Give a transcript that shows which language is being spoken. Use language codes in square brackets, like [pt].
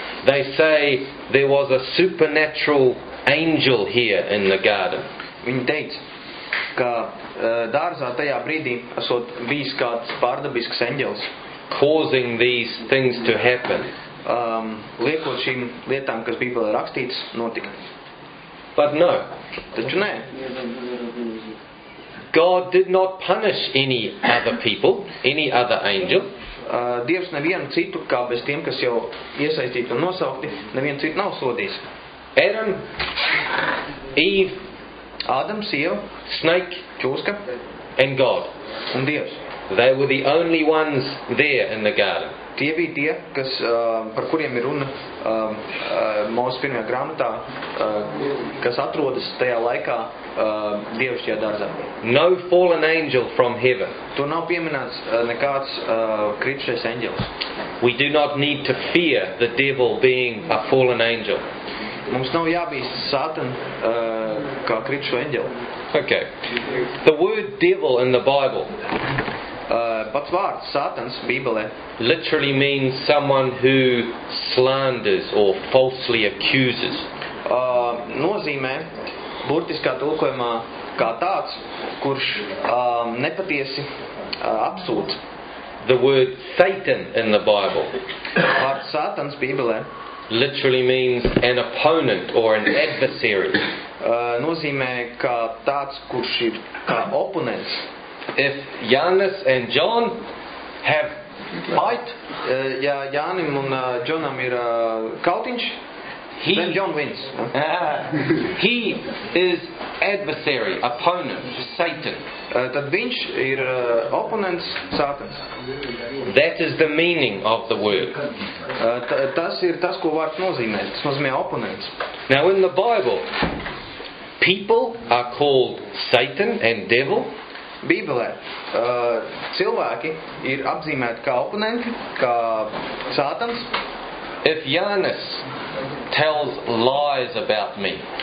[en] they say there was a supernatural angel here in the garden. [lv] Viņi teica, ka dārzā tajā brīdī esot bijis kāds pārdabisks eņģels [en] causing these things to happen. [lv] Liekot šīm lietām, kas Bībelē rakstīts, notika. [en] But no. [lv] Taču nē. [en] God did not punish any other people, any other angel. [lv] Dievs nevienu citu, kā bez tiem, kas jau iesaistīti un nosaukti, nevienu citu nav sodījis. [en] Adam, Eve, [lv] Adams, Eve, [en] snake, [lv] čūska, [en] and God. [lv] Un Dievs. [en] They were the only ones there in the garden. [lv] Tie bija tie, kas, par kuriem ir runa mūsu pirmajā grāmatā, kas atrodas tajā laikā Dievišķajā dārzā. [en] No fallen angel from heaven. [lv] Tu nav pieminēts nekāds kritušais eņģels. [en] We do not need to fear the devil being a fallen angel. [lv] Mums nav jābīst Sātan kā kritušo eņģeli. [en] Okay. The word devil in the Bible. [lv] Pats vārds Sātans Bībelē [en] literally means someone who slanders or falsely accuses. [lv] Nozīmē burtiskā tulkojumā kā tāds, kurš nepatiesi apsūdz. [en] The word Satan in the Bible. [lv] Vārds Sātans Bībelē [en] literally means an opponent or an adversary. [lv] Nozīmē kā tāds, kurš ir kā oponents. [en] If Janis and John have fight, [lv] ja Janim un Johnam ir kautiņš, [en] then John wins. He is adversary, opponent, Satan. [lv] Tad viņš ir oponents Sātans. [en] That is the meaning of the word. [lv] Tas ir tas, ko vārds nozīmē. Tas nozīmē oponents. [en] Now in the Bible, people are called Satan and devil. [lv] Bībelē cilvēki ir apzīmēti kā oponenti, kā Sātans. [en] If Janis tells lies about me.